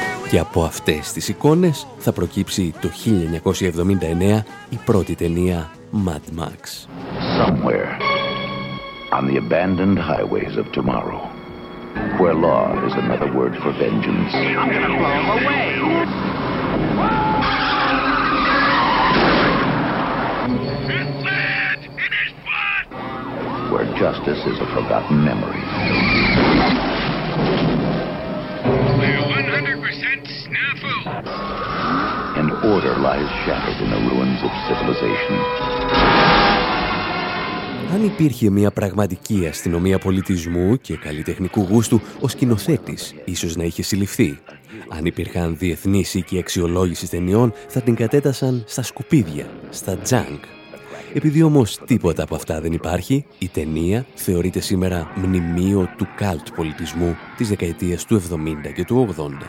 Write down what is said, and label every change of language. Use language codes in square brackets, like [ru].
[el] Και από αυτές τις εικόνες θα προκύψει το 1979 η πρώτη ταινία Mad Max. [en] Somewhere on the abandoned highways of tomorrow. Where law is another word for vengeance. I'm gonna blow him away. Where justice is a forgotten memory. Where 100% snafu. And order lies shattered in the ruins of civilization. [el] Αν υπήρχε μια πραγματική αστυνομία πολιτισμού και καλλιτεχνικού γούστου, ο σκηνοθέτης ίσως να είχε συλληφθεί. Αν υπήρχαν διεθνείς οίκοι αξιολόγησης ταινιών, θα την κατέτασαν στα σκουπίδια, στα junk. Επειδή όμως τίποτα από αυτά δεν υπάρχει, η ταινία θεωρείται σήμερα μνημείο του cult πολιτισμού της δεκαετίας του 70 και του 80.